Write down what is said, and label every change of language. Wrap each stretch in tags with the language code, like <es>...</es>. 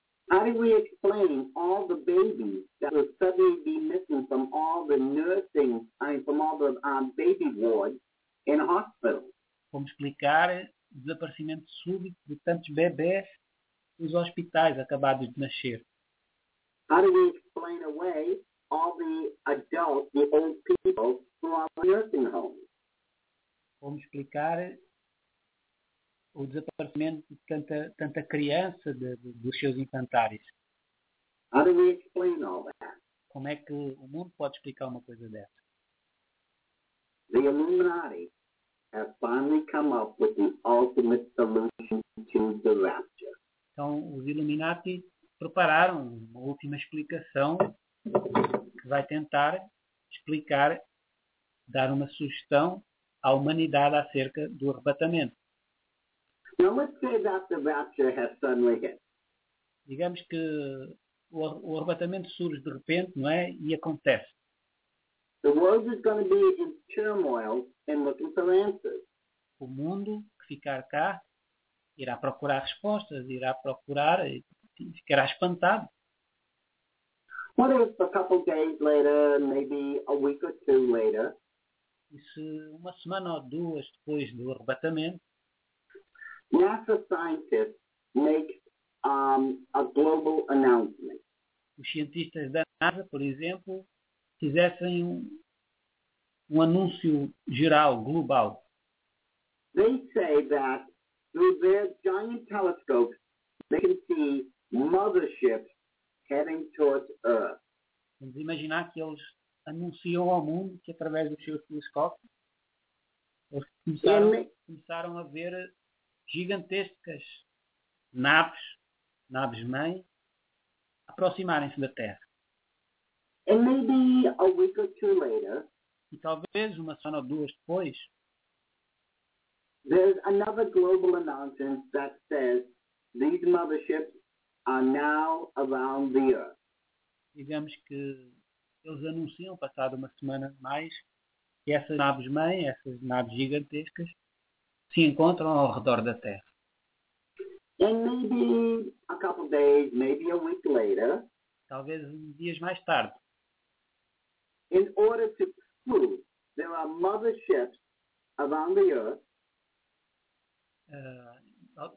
<en>How do we explain all the babies that will suddenly be missing from all the nursing, from all the baby wards in hospitals?</en> <pt>Como explicar o desaparecimento súbito de tantos bebés nos hospitais acabados de nascer?</pt> <en>How do we explain away all the adults, the old people who are in nursing homes?</en> <pt>Como explicar o desaparecimento de tanta criança dos seus infantários?</pt> <en>How do we explain all that?</en> <pt>Como é que o mundo pode explicar uma coisa dessa?</pt> <en>The Illuminati have finally come up with the ultimate solution to the rapture.</en> <pt>Então, os Illuminati prepararam uma última explicação que vai tentar explicar, dar uma sugestão à humanidade acerca do arrebatamento.</pt> <en>Now let's say that the rapture has suddenly hit.</en> <pt>Digamos que o arrebatamento surge de repente, não é? E acontece.</pt> <en>The world is going to be in turmoil and looking for answers.</en> <pt>O mundo que ficar cá irá procurar respostas, irá procurar e ficará espantado.</pt> <en>What if a couple days later, maybe a week or two later?</en> <pt>E se uma semana ou duas depois do arrebatamento?</pt> <en>NASA scientist makes a global announcement.</en> <pt>Os cientistas da NASA, por exemplo, fizessem um anúncio geral, global.</pt> <en>They say that through their giant telescopes, they can see motherships heading towards Earth.</en> <pt>Vamos imaginar que eles anunciam ao mundo que através dos seus telescópios eles começaram a ver gigantescas naves-mãe, aproximarem-se da Terra.</pt> <en>And maybe a week or two later,</en> <pt>e talvez uma semana ou duas depois,</pt> <en>there's another global announcement that says these motherships are now around the Earth.</en> <pt>Digamos que eles anunciam, passado uma semana mais, que essas naves-mãe, essas naves gigantescas, se encontram ao redor da Terra.</pt> <en>And maybe a couple days, maybe a week later,</en> <pt>talvez dias mais tarde.</pt> <en>In order to prove there are motherships around the earth,</en>